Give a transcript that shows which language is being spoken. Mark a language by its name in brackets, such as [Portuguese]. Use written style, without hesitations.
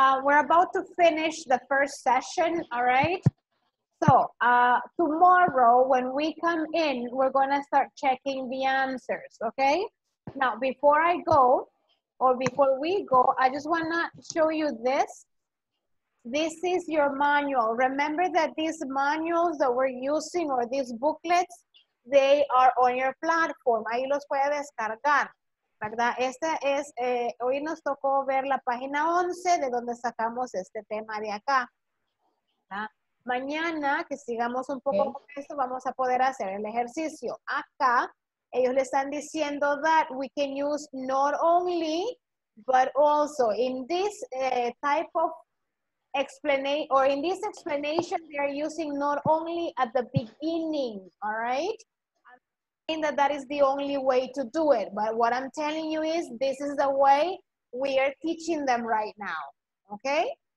[English] We're about to finish the first session, all right? So, tomorrow when we come in, we're going to start checking the answers, okay? Now, before I go, or before we go, I just want to show you this. This is your manual. Remember that these manuals that we're using or these booklets, they are on your platform. [Spanish] Ahí los puede descargar, ¿verdad? Este es, hoy nos tocó ver la página 11 de donde sacamos este tema de acá. ¿Verdad? Mañana, que sigamos un poco con esto, vamos a poder hacer el ejercicio. Acá, ellos le están diciendo [English] that we can use not only, but also in this type of explanation, or in this explanation, they are using not only at the beginning, all right? I'm saying that that is the only way to do it, but what I'm telling you is this is the way we are teaching them right now, okay?